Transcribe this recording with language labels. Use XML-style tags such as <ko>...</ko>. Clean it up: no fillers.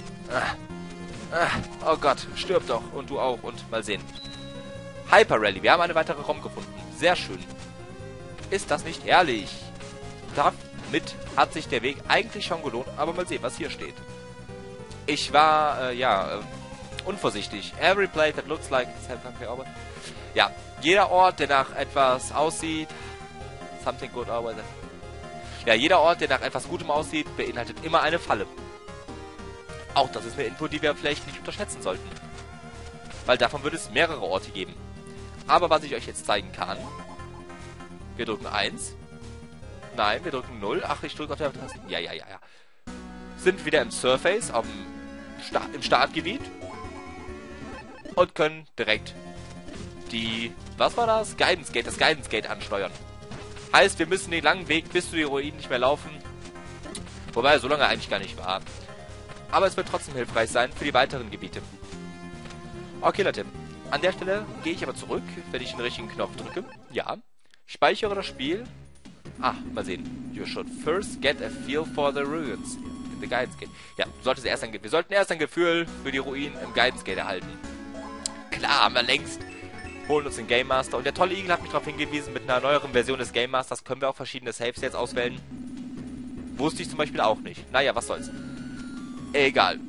<de>Ah. Ah. Oh Gott, stirb doch. Und du auch. Und mal sehen. Hyper Rally. Wir haben eine weitere ROM gefunden. Sehr schön. Ist das nicht ehrlich? Damit hat sich der Weg eigentlich schon gelohnt. Aber mal sehen, was hier steht. Ich war, unvorsichtig.</de> <en>Every place that looks like something good always...</en> <de>Ja, jeder Ort, der nach etwas aussieht...</de> <en>Something good always...</en> <de>Ja, jeder Ort, der nach etwas Gutem aussieht, beinhaltet immer eine Falle. Auch das ist eine Info, die wir vielleicht nicht unterschätzen sollten. Weil davon würde es mehrere Orte geben. Aber was ich euch jetzt zeigen kann... Wir drücken 1. Nein, wir drücken 0. Ach, ich drücke auf der Taste. Ja, ja, ja, ja. Sind wieder im Surface, im Startgebiet. Und können direkt die... Was war das? Guidance Gate. Das Guidance Gate ansteuern. Heißt, wir müssen den langen Weg bis zu den Ruinen nicht mehr laufen. Wobei, so lange eigentlich gar nicht war. Aber es wird trotzdem hilfreich sein für die weiteren Gebiete. Okay, Leute. An der Stelle gehe ich aber zurück, wenn ich den richtigen Knopf drücke. Ja. Speichere das Spiel. Ah, mal sehen.</de> <en>You should first get a feel for the ruins in the Guidance Gate.</en> <de>Ja, wir sollten erst ein Gefühl für die Ruinen im Guidance Gate erhalten. Klar, haben wir längst. Holen uns den Game Master. Und der tolle Igel hat mich darauf hingewiesen, mit einer neueren Version des Game Masters können wir auch verschiedene Saves jetzt auswählen. Wusste ich zum Beispiel auch nicht. Naja, was soll's. Egal.</de>